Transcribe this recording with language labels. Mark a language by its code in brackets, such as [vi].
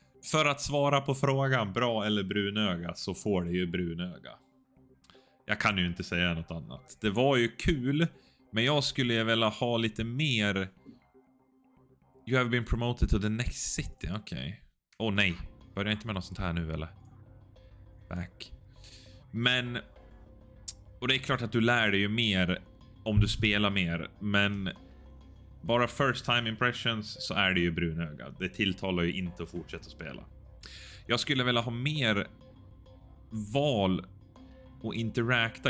[sv] För att svara på frågan, bra eller brunöga, så får det ju brunöga. Jag kan ju inte säga något annat. Det var ju kul, men jag skulle ju vilja ha lite mer... [en] You have been promoted to the next city, okej. [sv] Åh nej, börjar inte med något sånt här nu eller? Back. Men... Och det är klart att du lär dig ju mer om du spelar mer, men bara [en] first time impressions [sv] så är det ju brunöga. Det tilltalar ju inte att fortsätta spela. Jag skulle vilja ha mer val och interakta.